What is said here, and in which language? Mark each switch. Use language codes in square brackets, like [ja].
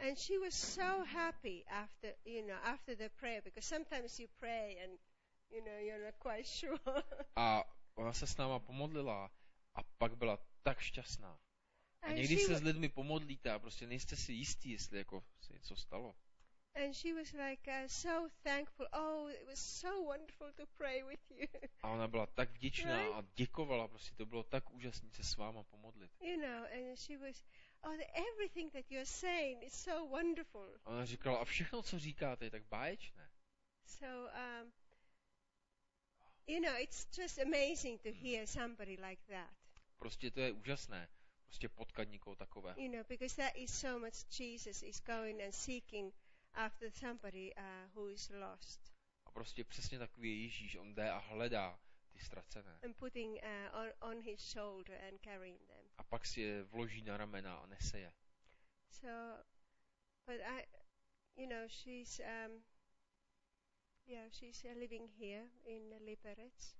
[en] And she was so happy after, you know, after the prayer, because sometimes you pray and, you know, you're not quite sure. [cs] A ona se s náma pomodlila a pak byla tak šťastná. A někdy se s lidmi pomodlíte a prostě nejste si jistí, jestli jako se něco stalo. [en] And she was like so thankful. Oh, it was so wonderful to pray with you. [cs] A ona byla tak vděčná a děkovala, prostě to bylo tak úžasné se s váma pomodlit. [en] You know, and she was, oh, everything that you're saying is so wonderful. [cs] A ona říkala, a všechno, co říkáte, je tak báječné. [en] So you know, it's just amazing to hear somebody like that. [cs] Prostě to je úžasné. Prostě potkat někoho takového. [en] You know, because that is so much Jesus is going and seeking after somebody who is lost. [cs] A prostě přesně takový je Ježíš, on jde a hledá ty ztracené. [en] And putting on his shoulder and carrying them. [cs] A pak si je vloží na ramena a nese je. [en] So but I, you know, she's yeah, she's living here in Liberec.